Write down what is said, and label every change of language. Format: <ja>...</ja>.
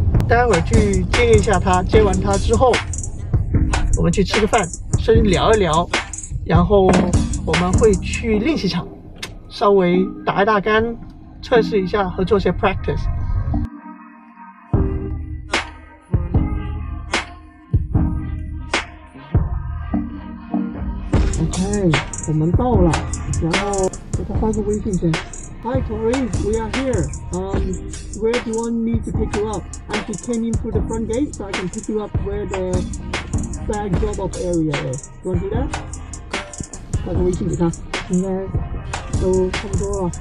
<zh>待会儿去接一下他，接完他之后我们去吃个饭，先聊一聊，然后我们会去练习场稍微打一打杆，测试一下和做些 practice。 OK， 我们到了，然后给他发个微信先。</zh> <en>Hi Tori, we are here. Where do you want me to pick you up? I just came in through the front gate, so I can pick you up where the bag drop-off area is. Do you want to do that?</en> <zh>发个微信给他，应该都差不多了。</zh>